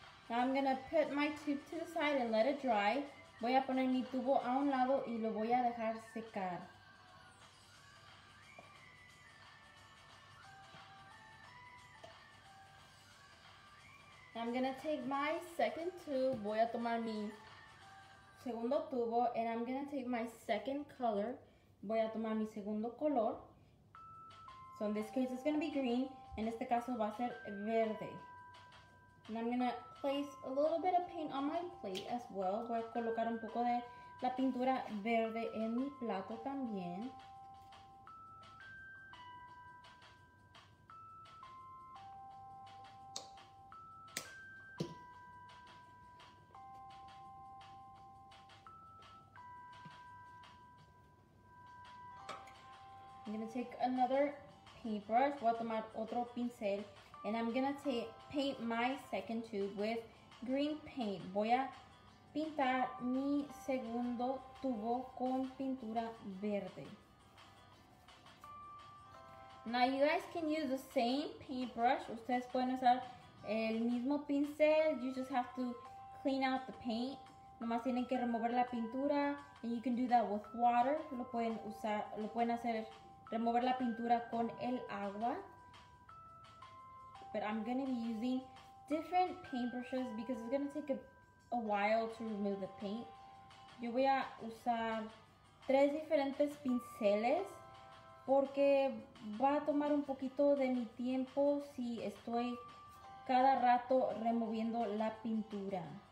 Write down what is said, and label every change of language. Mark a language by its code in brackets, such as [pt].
[en] Now I'm gonna put my tube to the side and let it dry. [es] Voy a poner mi tubo a un lado y lo voy a dejar secar. [en] I'm gonna take my second tube, [es] voy a tomar mi segundo tubo, [en] and I'm gonna take my second color, [es] voy a tomar mi segundo color. [en] So in this case, it's gonna be green, [es] en este caso va a ser verde. [en] And I'm gonna place a little bit of paint on my plate as well. [es] Voy a colocar un poco de la pintura verde en mi plato también. [en] I'm gonna take another paintbrush, [es] voy a tomar otro pincel, [en] and I'm gonna paint my second tube with green paint. [es] Voy a pintar mi segundo tubo con pintura verde. [en] Now you guys can use the same paintbrush. [es] Ustedes pueden usar el mismo pincel. [en] You just have to clean out the paint. [es] Nomás tienen que remover la pintura, [en] and you can do that with water. [es] Lo pueden usar, lo pueden hacer. Remover la pintura con el agua. [en] But I'm gonna be using different paintbrushes because it's gonna take a while to remove the paint. [es] Yo voy a usar tres diferentes pinceles porque va a tomar un poquito de mi tiempo si estoy cada rato removiendo la pintura.